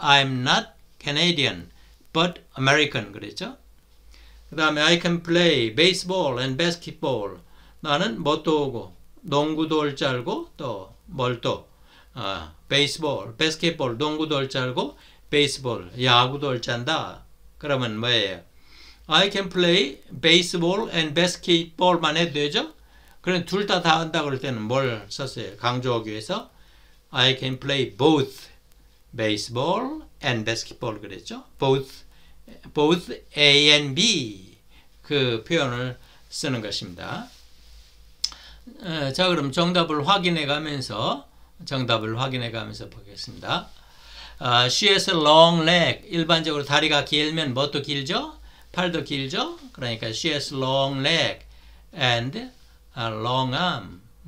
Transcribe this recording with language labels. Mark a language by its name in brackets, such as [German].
[English] I'm not Canadian, but American [Korean] 그랬죠? 그 다음에 [English] I can play baseball and basketball. [Korean] 나는 뭣도 하고 농구도 할줄 알고 또뭘또 베이스볼, 배스켓볼, 농구도 할줄 알고 베이스볼, 야구도 할줄 안다. 그러면 뭐예요? [English] I can play baseball and basketball만 [Korean] 해도 되죠? 그럼 둘 다 다 한다 그럴 때는 뭘 썼어요? 강조하기 위해서 [English] I can play both baseball and basketball [Korean] 그랬죠? [English] Both A and B [Korean] 그 표현을 쓰는 것입니다. 자, 그럼 정답을 확인해 가면서 보겠습니다. [English] She has a long leg. [Korean] 일반적으로 다리가 길면 뭐도 길죠? 팔도 길죠? 그러니까 [English] she has long leg and a long arm.